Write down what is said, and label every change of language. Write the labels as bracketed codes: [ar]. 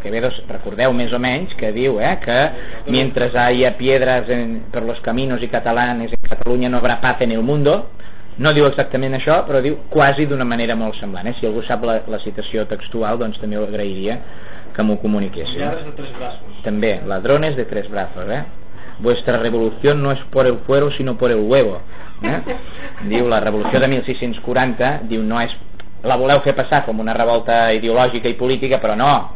[ca] Quevedo, recordeu més o menys, que diu que mentre hi ha [es] piedras [ca] per [es] los caminos [ca] i catalanes en Catalunya [es] no habrá paz en el mundo. [ca] No diu exactament això, però diu quasi d'una manera molt semblant. Si algú sap la citació textual, doncs també ho agrairia que m'ho comuniqués. [es] Ladrones de tres brazos. [ca] També, [es] ladrones de tres brazos. Vuestra revolución no es por el fuero, sino por el huevo. [ca] Diu, la revolució de 1640, diu, no és... La voleu fer passar com una revolta ideològica i política, però no.